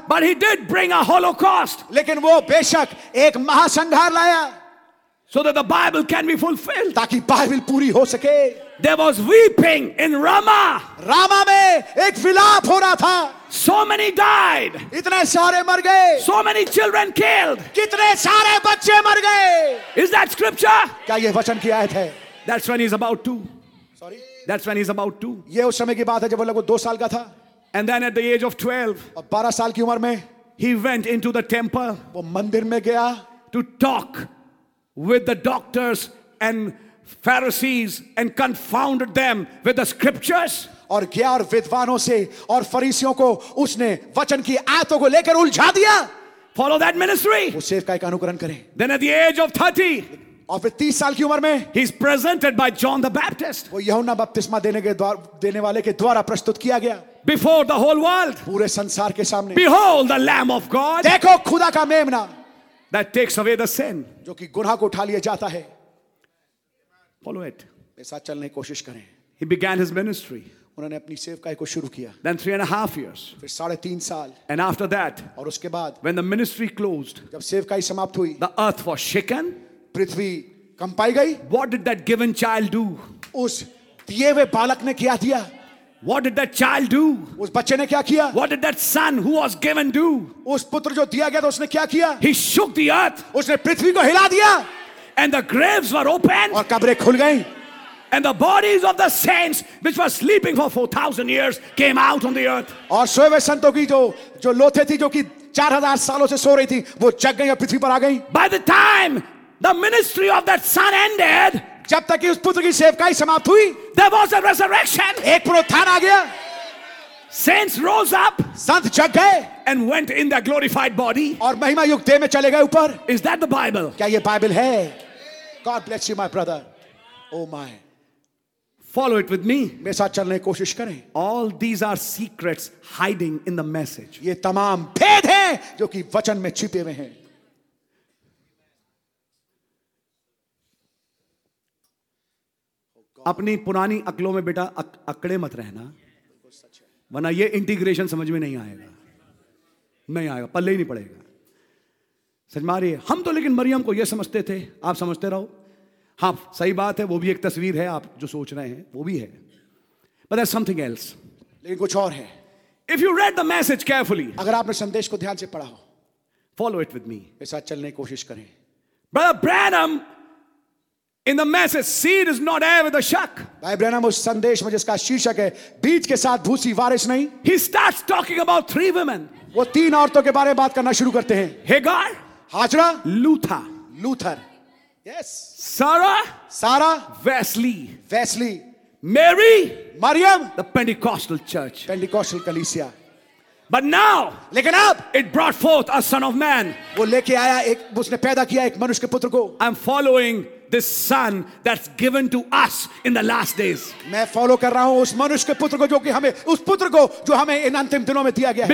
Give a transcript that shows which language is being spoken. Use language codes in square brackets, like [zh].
[en] But he did bring a holocaust. [hi] लेकिन वो बेशक एक महासंहार लाया. [en] So that the Bible can be fulfilled. [hi] ताकि बाइबल पूरी हो सके. [en] There was weeping in Rama. [hi] Rama में एक विलाप हो रहा था. [en] So many died. [hi] इतने सारे मर गए. [en] So many children killed. [hi] कितने सारे बच्चे मर गए. [en] Is that scripture? [hi] क्या ये वचन की आयत है? [en] That's when he's about two. Sorry. That's when he's about two. [hi] ये उस समय की बात है जब वो लगभग 2 साल का था. [en] And then at the age of 12. [hi] और 12 साल की उम्र में. [en] He went into the temple. [hi] वो मंदिर में गया. [en] To talk with the doctors and Pharisees and confounded them with the scriptures. [hi] और गया और विद्वानों से और फरीसियों को उसने वचन की आयतों को लेकर उलझा दिया. [en] Follow that ministry. [hi] उस सेव का एक अनुकरण करें. [en] Then at the age of 30. [hi] और फिर 30 साल की उम्र में. [en] He is presented by John the Baptist. [hi] वो यूहन्ना बपतिस्मा देने वाले के द्वारा प्रस्तुत किया गया. [en] Before the whole world. [hi] पूरे संसार के सामने. [en] Behold the Lamb of God. [hi] देखो खुदा का मेमना. [en] That takes away the sin. [hi] जो कि गुनाह को उठा लिया जाता है. [en] Follow it. [hi] मेरे साथ चलने की कोशिश करें. [en] He began his ministry. [hi] उन्होंने अपनी सेवकाई को शुरू किया. [en] Then 3.5 years. [hi] फिर 3.5 साल. [en] And after that. [hi] और उसके बाद. [en] When the ministry closed. [hi] जब सेवकाई समाप्त हुई. [en] The earth was shaken. [hi] पृथ्वी कंपाई गई. [en] What did that given child do? [hi] उस दिए हुए बालक ने क्या दिया? [en] What did that child do? [hi] उस बच्चे ने क्या किया? [en] What did that son who was given do? [hi] उस पुत्र जो दिया गया था उसने क्या किया? [en] He shook the earth. [hi] उसने पृथ्वी को हिला दिया. [en] And the graves were opened. [hi] और कब्रें खुल गईं. [en] And the bodies of the saints which were sleeping for 4,000 years came out on the earth. [hi] और सोए हुए संतों की जो लोथे थी जो कि 4,000 सालों से सो रही थी वो जग गईं और पृथ्वी पर आ गईं. [en] By the time the ministry of that son ended. [hi] जब तक कि उस पुत्र की सेवकाई समाप्त हुई, [en] there was a resurrection. [hi] एक पुनरुत्थान आ गया. [en] Saints rose up. [hi] संत जग गए. [en] And went in their glorified body. [hi] और महिमा युक्त देह में चले गए ऊपर. [en] Is that the Bible? [hi] क्या ये बाइबल है? [en] God bless you, my brother. Oh my. Follow it with me. [hi] मेरे साथ चलने की कोशिश करें. [en] All these are secrets hiding in the message. [hi] ये तमाम भेद हैं जो कि वचन में छिपे हुए हैं. अपनी पुरानी अकलों में बेटा अकड़े मत रहना, वरना ये इंटीग्रेशन समझ में नहीं आएगा, नहीं आएगा, पल्ले ही नहीं पड़ेगा. सच मारिए, हम तो लेकिन मरियम को ये समझते थे, आप समझते रहो. हाँ सही बात है, वो भी एक तस्वीर है, आप जो सोच रहे हैं वो भी है, [en] But that's something else. [hi] लेकिन कुछ और है. [en] if you read the message carefully, [hi] अगर आपने संदेश को ध्यान से पढ़ा हो, [en] follow it with me, [hi] मेरे साथ चलने की कोशिश करें. [en] Brother Branham In the message, seed is not there with a shuck. [hi] भाई ब्रैनम उस संदेश में जिसका शीर्षक है बीज के साथ भूसी वारिस नहीं. [en] He starts talking about three women. [hi] वो तीन औरतों के बारे में बात करना शुरू करते हैं. [en] Hagar, [hi] Hajra, [en] Luther, [hi] Luther. Yes. [en] Sarah, [hi] Wesley, [en] Mary, [hi] Maryam, [en] the Pentecostal Church, [hi] Pentecostal Kalisia. [en] But now, [hi] लेकिन अब, [en] it brought forth a son of man. [hi] वो लेके आया एक, उसने पैदा किया एक मनुष्य के पुत्र को. [en] I'm following. This son that's given to us in the last days. [hi] मैं फॉलो कर रहा हूँ उस मनुष्य के पुत्र को जो कि हमें उस पुत्र को जो हमें इन अंतिम दिनों में दिया गया है.